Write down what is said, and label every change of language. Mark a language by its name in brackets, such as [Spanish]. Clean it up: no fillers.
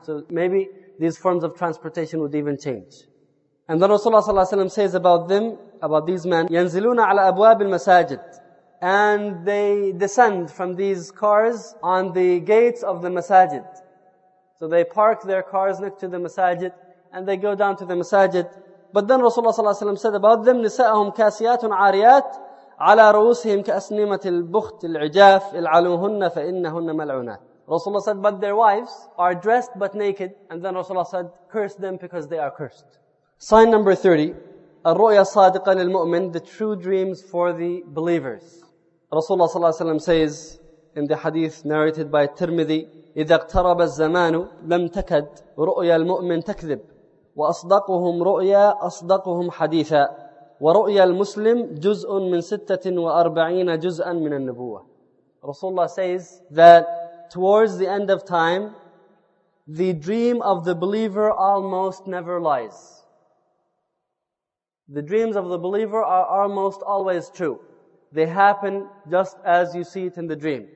[English] So maybe these forms of transportation would even change. And then Rasulullah sallallahu alayhi wa sallam says about them, about these men, [Arabic] يَنزِلُونَ عَلَى أَبْوَابِ الْمَسَاجِدِ. [English] And they descend from these cars on the gates of the masajid. So they park their cars next to the masajid, and they go down to the masajid. But then Rasulullah sallallahu alayhi wa sallam said about them, [Arabic] نِسَاءَهُمْ كَاسِيَاتٌ عَارِيَاتٌ عَلَى رُؤُسِهِمْ كَأَسْنِمَةِ الْبُخْتِ الْعِجَافِ الْعَلُوهُنَّ فَإِنَّهُنَّ مَلْعُونَاتٌ. [English] Rasulullah said, but their wives are dressed but naked. And then Rasulullah said, curse them because they are cursed. Sign number 30, [Arabic] الرؤيا الصادقة للمؤمن, [English] the true dreams for the believers. Rasulullah sallallahu alayhi wa sallam says in the hadith narrated by Tirmidhi, [Arabic] إِذَا اقْتَرَبَ الزَّمَانُ لَمْ تَكَدْ رُؤْيَا الْمُؤْمِنِ تَكْذِبْ وَأَصْدَقُهُمْ رُؤْيَا أَصْدَقُهُمْ حَدِيثًا وَرُؤْيَا الْمُسْلِمِ جُزْءٌ مِّن 46 جُزْءًا مِّنَ النُّبُوَّةِ. [English] Rasulullah says that towards the end of time, the dream of the believer almost never lies. The dreams of the believer are almost always true. They happen just as you see it in the dream.